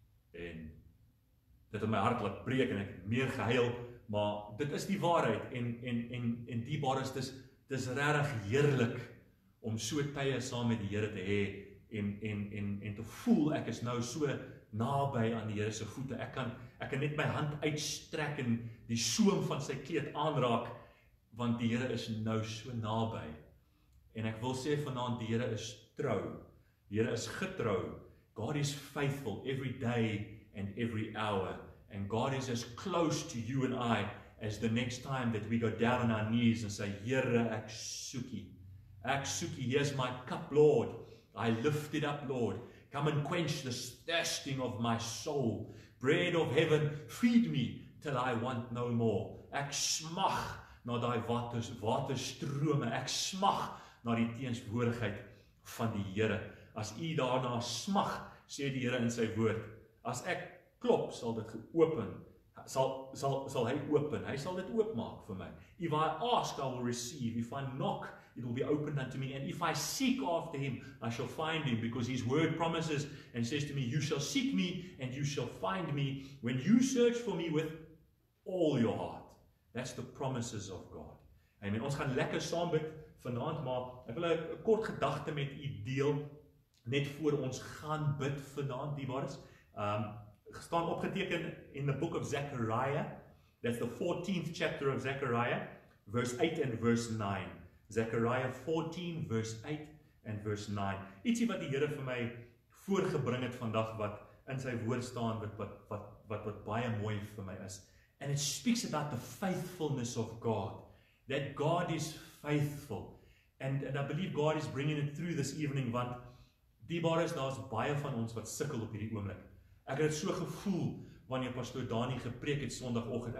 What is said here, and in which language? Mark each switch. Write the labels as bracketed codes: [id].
[af] En dit het my hart laat breek en ek het meer gehuil, maar dit is die waarheid en die waarheid is dis regtig heerlik om so tye saam met die Here te hê en te voel ek is nou so naby aan die Here se voete. Ek kan net my hand uitstrek en die soem van sy kleed aanraak want die Here is nou so naby. En ek wil sê vanaand die Here is trou. Die Here is getrou. [en] God is faithful every day and every hour and God is as close to you and I as the next time that we go down on our knees and say, [af] Here, ek soek U. [en] Ek soek U. Here's my cup, Lord. I lift it up, Lord. Come and quench the thirsting of my soul. Bread of heaven, feed me till I want no more. [af] Ek smag na daai waterstrome. Ek smag na die teenswoordigheid van die Here. As U daarna smag, sê die Here in sy woord, as ek klop, sal dit geopen. Sal hy open, hy sal dit oopmaak vir my. [en] If I ask, I will receive. If I knock, it will be opened unto me. And if I seek after him, I shall find him. Because his word promises and says to me, you shall seek me and you shall find me when you search for me with all your heart. That's the promises of God. Amen. [af] Ons gaan lekker saam bid vanaand, maar ek wil 'n kort gedagte met u deel net voor ons gaan bid vanaand, die waar is. Staan opgeteken [en] in the book of Zechariah, that's the 14th chapter of Zechariah, verse 8 and verse 9. Zechariah 14, verse 8 and verse 9. [af] Ietsie wat die Here vir my voorgebring het vandag, wat in sy woord staan, wat baie mooi vir my is. [en] And it speaks about the faithfulness of God, that God is faithful. And I believe God is bringing it through this evening, [af] want die bare is, daar's baie van ons wat sukkel op hierdie oomblik. Ek het so gevoel wanneer pastoor Dani gepreek het Sondagoggend.